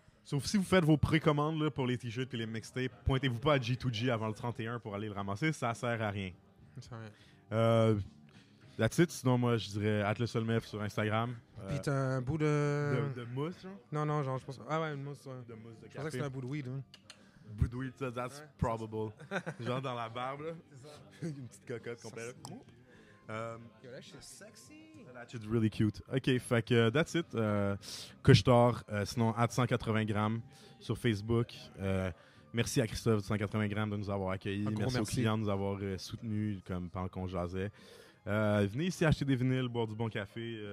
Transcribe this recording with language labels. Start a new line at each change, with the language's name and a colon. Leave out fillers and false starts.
French: Sauf si vous faites vos précommandes là, pour les t-shirts et les mixtapes, pointez-vous pas à G2G avant le 31 pour aller le ramasser. Ça sert à rien.
English: That's it.
French: Sinon, moi, je dirais @lesolmef sur Instagram. Puis t'as un bout de mousse, genre? Non, non, genre, je pense... Ah ouais, une mousse, ouais. De mousse de je café. Pensais que c'était un bout de weed, hein. Bout de weed, ça,
English: that's
French: ouais, probable. Genre dans la barbe, là. C'est ça. Une petite cocotte qu'on perd.
English: Yo, that shit's sexy. That shit's really cute. OK,
French: fait que
English: that's it. Couche-tard,
French: sinon, @180g sur Facebook. Merci à Christophe de 180 grammes de nous avoir accueillis. Merci aux clients de nous avoir soutenus comme pendant qu'on jasait. Venez ici acheter des vinyles, boire du bon café.